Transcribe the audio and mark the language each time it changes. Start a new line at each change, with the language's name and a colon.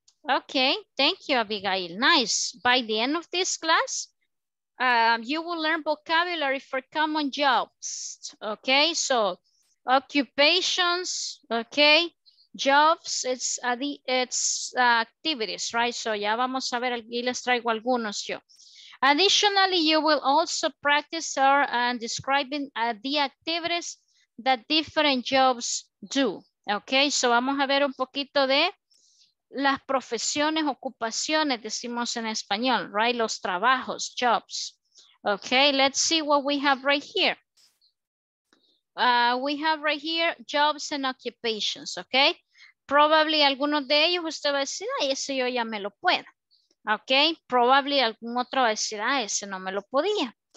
English: Okay, thank you, Abigail. Nice. By the end of this class, you will learn vocabulary for common jobs. Okay, so occupations, okay, jobs, it's activities, right?
Spanish: So ya vamos a ver, y les traigo algunos yo.
English: Additionally, you will also practice or describing the activities that different jobs do.
Spanish: Okay, so vamos a ver un poquito de las profesiones, ocupaciones, decimos en español, right? Los trabajos, jobs.
English: Okay, let's see what we have right here. We have right here jobs and occupations, okay?
Spanish: Probably algunos de ellos usted va a decir, ay, ese yo ya me lo puedo. Okay, probably algún otro va a decir, ah, ese no me lo podía.